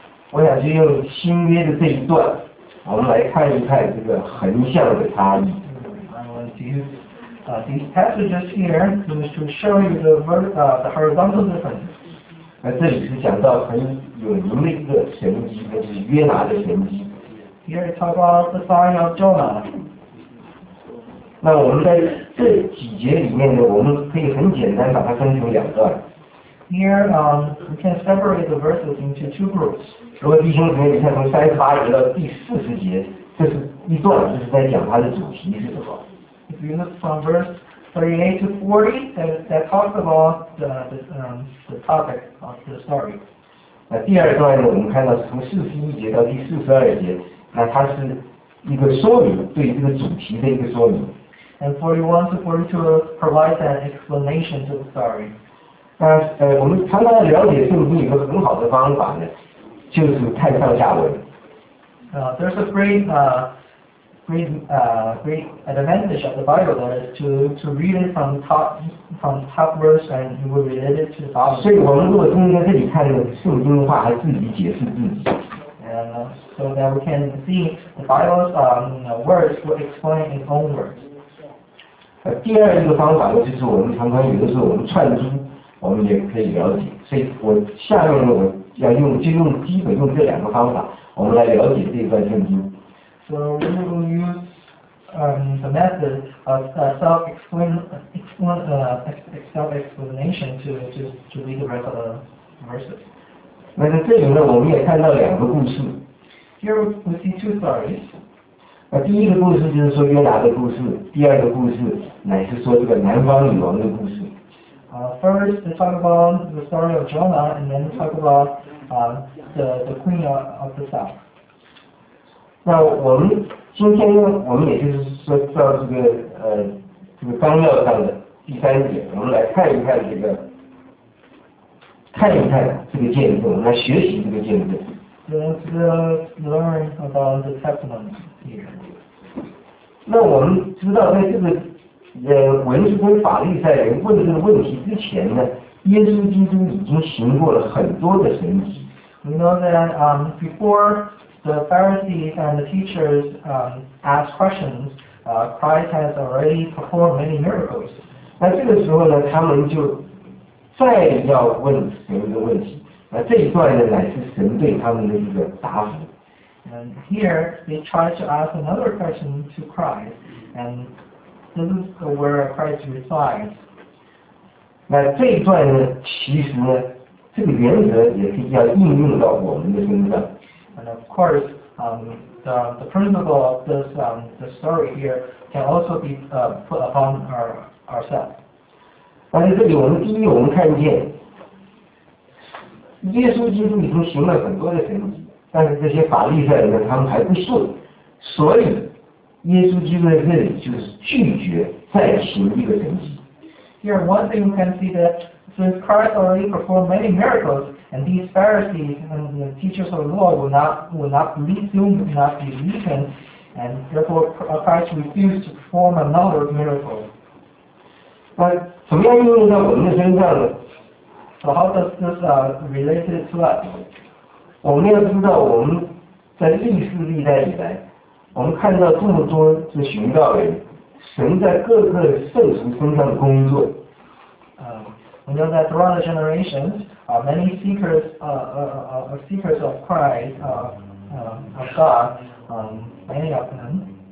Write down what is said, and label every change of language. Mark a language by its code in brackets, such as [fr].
[zh] 我想就用新约的这一段，我们来看一看这个横向的差异。 [en] I want to use these passages here just to show you the horizontal difference. [zh] 那这里是讲到很有名的一个神迹，那就是约拿的神迹。 [en] Here it talks about the sign of Jonah. [zh] 那我们在这几节里面呢，我们可以很简单把它分成两段。 [en] Here, we can separate the verses into two groups. [zh] 如果弟兄姊妹，你看从38节到40节，这是一段，就是在讲它的主题是什么。 [en] If you look from verse 38 to 40, that talks about the topic of the story. [zh] 那第二段呢，我们看到是从41节到42节，那它是一个说明，对这个主题的一个说明。 [en] And 41 to 42 provides an explanation to the story. [zh] 那我们常常了解圣经一个很好的方法呢，就是看上下文。 [en] There's a great advantage of the Bible that is to read it from top verse and you will relate it to the bottom. [zh] 所以我们如果通过这里看的圣经的话，还自己解释自己。 [en] And so that we can see the Bible's words will explain its own words. [zh] 第二一个方法呢，就是我们常常有的时候我们串珠，我们也可以了解。所以我下面呢，我要用就用基本用这两个方法，我们来了解这段圣经。 [en] So we will use the method of self-explanation to read the rest of the verses. [zh] 那在这里呢，我们也看到两个故事。 [en] Here we see two stories. [zh] 那第一个故事就是说约拿的故事，第二个故事乃是说这个南方女王的故事。 [en] First, we talk about the story of Jonah, and then talk about the queen of the south. [zh] 那我们今天呢，我们也就是说到这个纲要上的第三点，我们来看一看这个见证，来学习这个见证。 [en] Let's learn about the testimony here. [zh] 那我们知道，在这个文士跟法利赛人问这个问题之前呢，耶稣基督已经行过了很多的神迹。 [en] We know that before. The Pharisees and the teachers ask questions. Christ has already performed many miracles. [zh] 那这个时候呢，他们就再要问神的问题。那这一段呢，乃是神对他们的一个答复。 [en] And here they try to ask another question to Christ, and this is where Christ replies. [zh] 那这一段呢，其实呢，这个原则也是要应用到我们的身上。 [en] And of course, the principle of this the story here can also be put upon ourselves. [zh] 那在这里，我们第一，我们看见耶稣基督已经行了很多的神迹，但是这些法利赛人他们还不信，所以耶稣基督在这里就是拒绝再行一个神迹。 [en] Here, one thing you can see that since Christ already performed many miracles. And these Pharisees and the teachers of the law will not believe him, and therefore Christ refused to perform another miracle. [zh] 那怎么样应用到我们的身上呢 [en] ？So how does this relate to us? [zh] 我们要知道，我们在历世历代以来，我们看到这么多的寻道人，神在各个圣徒身上的工作。 [en] We know that throughout the generations, many seekers of Christ, of God, many of them.